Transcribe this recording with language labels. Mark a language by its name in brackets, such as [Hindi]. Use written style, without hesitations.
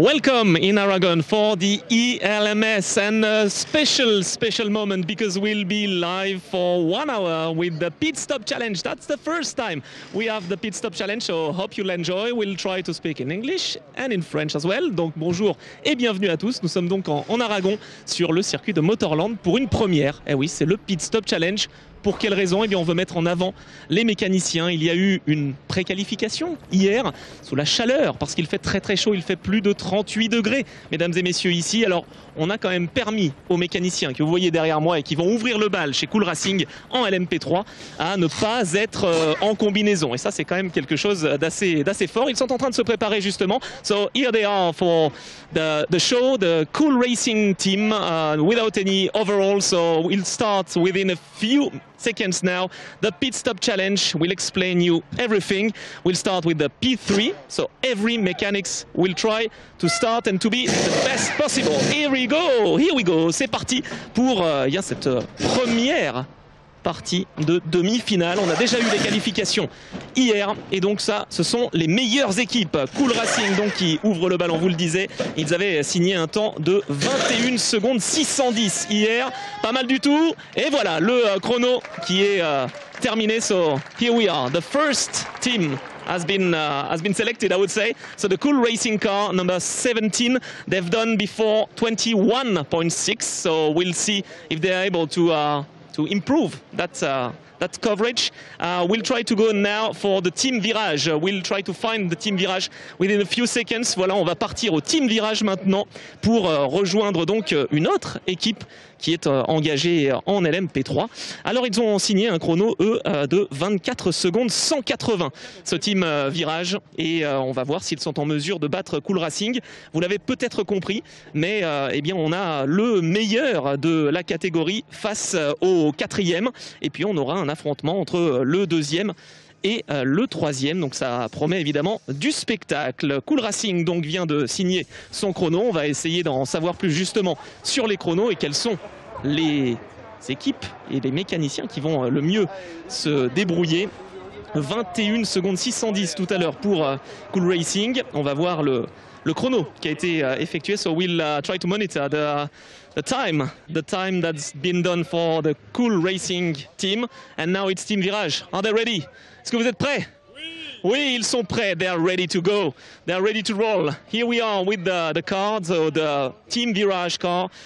[English] Welcome in Aragon for the ELMS and a special moment because we'll be live for 1 hour with the Pit Stop Challenge. That's the first time we have the Pit Stop Challenge, so hope you'll enjoy. We'll try to speak in English and in French as well. [French] Donc bonjour et bienvenue à tous. Nous sommes donc en Aragon sur le circuit de Motorland pour une première. Eh oui, c'est le Pit Stop Challenge. Pour quelle raison? Eh bien, on veut mettre en avant les mécaniciens. Il y a eu une préqualification hier sous la chaleur parce qu'il fait très très chaud. Il fait plus de 38 degrés, mesdames et messieurs, ici. Alors, on a quand même permis aux mécaniciens que vous voyez derrière moi et qui vont ouvrir le bal chez Cool Racing en LMP3 à ne pas être en combinaison. Et ça, c'est quand même quelque chose d'assez fort. Ils sont en train de se préparer, justement. [English] So, here they are for the show, the Cool Racing team, without any overall. So, we'll start within a few seconds now. The Pit Stop Challenge will explain you everything. We'll start with the P3, so every mechanics will try to start and to be the best possible. Here we go, [French] c'est parti pour cette première partie de demi-finale. On a déjà eu les qualifications hier et donc ça, ce sont les meilleures équipes. Cool Racing donc qui ouvre le ballon, vous le disiez, ils avaient signé un temps de 21 secondes 610 hier, pas mal du tout. Et voilà le chrono qui est terminé. [English] So here we are, the first team has been selected, I would say. So the Cool Racing car number 17, they've done before 21.6, so we'll see if they are able to improve that coverage. We'll try to go now for the team virage. We'll try to find the team virage within a few seconds. [French] Voilà, on va partir au team virage maintenant pour rejoindre donc une autre équipe qui est engagée en LMP3. Alors, ils ont signé un chrono, eux, de 24 secondes 180, ce team virage. Et on va voir s'ils sont en mesure de battre Cool Racing. Vous l'avez peut-être compris, mais eh bien, on a le meilleur de la catégorie face au quatrième. Et puis, on aura un affrontement entre le deuxième et le troisième, donc ça promet évidemment du spectacle. Cool Racing donc vient de signer son chrono. On va essayer d'en savoir plus justement sur les chronos et quels sont les équipes et les mécaniciens qui vont le mieux se débrouiller. 21 secondes 610 tout à l'heure pour Cool Racing. On va voir le chrono qui a été effectué. [English] So we'll try to monitor the time that's been done for the Cool Racing team. And now it's team virage. Are they ready? [French] Est-ce que vous êtes prêts? Oui. Oui, ils sont prêts. [English] They are ready to go. They are ready to roll. Here we are with the cards, so the team virage car.